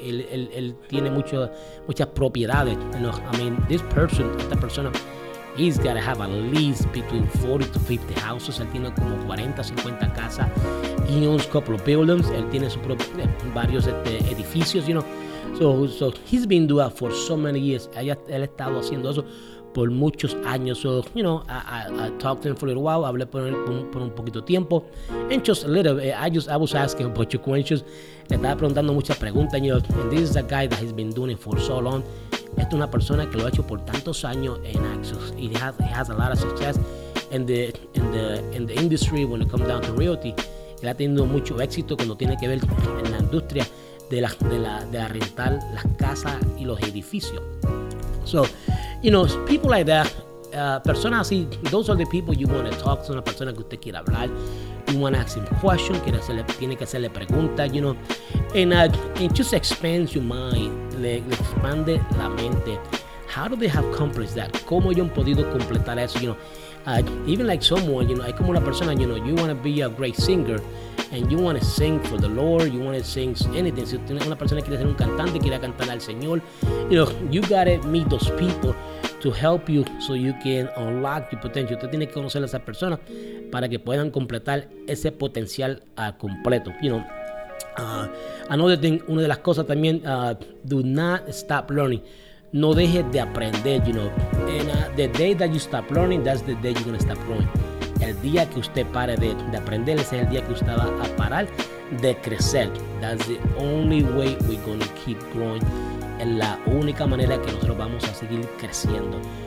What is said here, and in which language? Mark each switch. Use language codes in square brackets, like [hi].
[es] Él tiene muchas propiedades. [en] You know, I mean, [es] esta persona, [en] he's got to have at least between 40 to 50 houses. [es] Él tiene como 40, 50 casas. [en] He owns a couple of buildings. [es] Él tiene su propio, varios edificios, [en] you know. So he's been doing that for so many years. [es] Él ha estado haciendo eso por muchos años. [en] So, you know, I talked to him for a little while. [es] Hablé por un poquito de tiempo. [en] And just a little bit. I was asking a bunch of questions. [es] Le estaba preguntando muchas preguntas. [en] You know, and this is a guy that has been doing it for so long. [es] Esta es una persona que lo ha hecho por tantos años. [en] And he has a lot of success in the industry when it comes down to realty. [es] Él ha tenido mucho éxito cuando tiene que ver en la industria de la rentar las casas y los edificios. [en] So, you know, people like that, [es] personas así, [en] those are the people you want to talk to, [es] una persona que usted quiere hablar, [en] you want to ask him questions, [es] tiene que hacerle preguntas, [en] you know, and just expands your mind, [es] le expande la mente. [en] How do they have accomplished that? [es] ¿Cómo ellos han podido completar eso? [en] You know, even like someone, you know, [es] es como una persona, [en] you know, you want to be a great singer, and you want to sing for the Lord, you want to sing anything. [es] Si usted es una persona que quiere ser un cantante, quiere cantar al Señor, [en] you know, you got to meet those people to help you so you can unlock your potential. [es] Usted tiene que conocer a esas personas para que puedan completar ese potencial completo. [en] You know, another thing, [es] una de las cosas también, [en] do not stop learning. [es] No dejes de aprender, you know. [en] And the day that you stop learning, that's the day you're going to stop growing. [es] El día que usted pare de aprender, ese es el día que usted va a parar de crecer. [en] That's the only way we're going to keep growing. [es] Es la única manera que nosotros vamos a seguir creciendo.